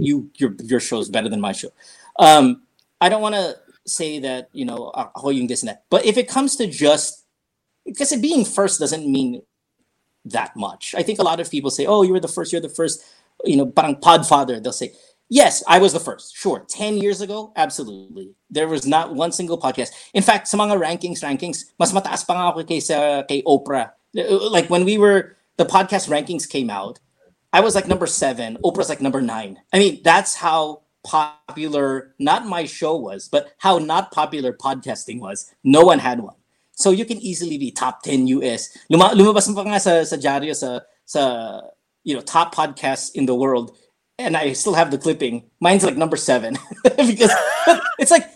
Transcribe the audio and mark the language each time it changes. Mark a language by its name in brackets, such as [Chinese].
[English] Your show is better than my show. I don't want to say that, you know, [Filipino] ako yung [English] this and that, but if it comes to just, because it being first doesn't mean that much. I think a lot of people say, oh, you're the first, you know, parang podfather. They'll say, yes, I was the first. Sure. 10 years ago, absolutely. There was not one single podcast. [Filipino] In fact, sa mga rankings, mas mataas pa nga ako kaysa kay Oprah. [English] Like when the podcast rankings came out, I was like number 7. Oprah's like number 9. I mean, that's how popular, not my show was, but how not popular podcasting was. No one had one. So you can easily be top 10 US. [Filipino] Lumabas pa nga sa dyaryo sa you know, [English] top podcasts in the world. And I still have the clipping. Mine's like number 7. Because it's like,